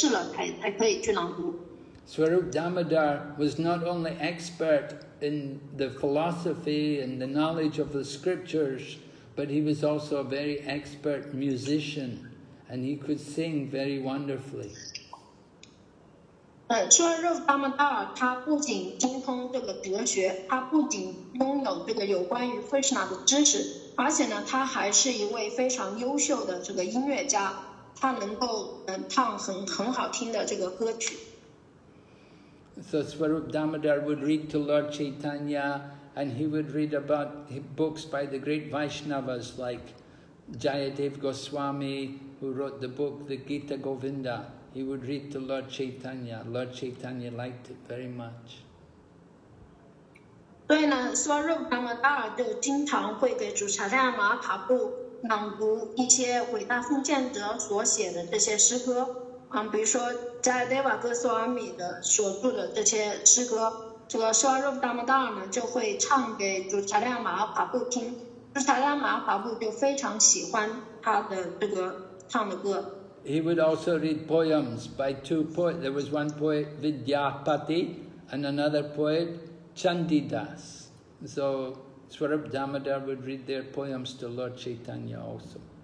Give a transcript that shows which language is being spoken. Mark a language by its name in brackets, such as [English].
[Chinese] 因为呢，如果他们的写作当中如果有错误的地方，或者是不恰当的地方的话，主查泰亚马哈帕布听了就会非常的失望。所以呢，在他们给主查泰亚马哈帕布朗读之前呢，都会经过斯瓦鲁达曼达尔的检查，就是他检查之后觉得合适了，才可以去朗读。Swarup [English] Damodar was not only expert in the philosophy and the knowledge of the scriptures, but he was also a very expert musician, and he could sing very wonderfully. [Chinese] Swarup Damodar, 他不仅精通这个哲学，他不仅拥有这个有关于 Krishna 的知识，而且呢，他还是一位非常优秀的这个音乐家，他能够唱很好听的这个歌曲。So [English] Swarup Damodar would read to Lord Chaitanya. And he would read about books by the great Vaishnavas like Jayadev Goswami, who wrote the book, the Gita Govinda, he would read to Lord Chaitanya. Lord Chaitanya liked it very much. [Chinese] 对呢，说若他们大尔就经常会给主查亚玛帕布朗读一些伟大奉献者所写的这些诗歌，比如说加耶德瓦戈斯瓦米的所著的这些诗歌，这个说若他们大尔呢就会唱给主查亚玛帕布听，主查亚玛帕布就非常喜欢他的这个唱的歌。 [English] He would also read poems by two poets. There was one poet Vidyapati and another poet. Chandidas. So Swarup Damodar would read their poems to Lord Chaitanya also.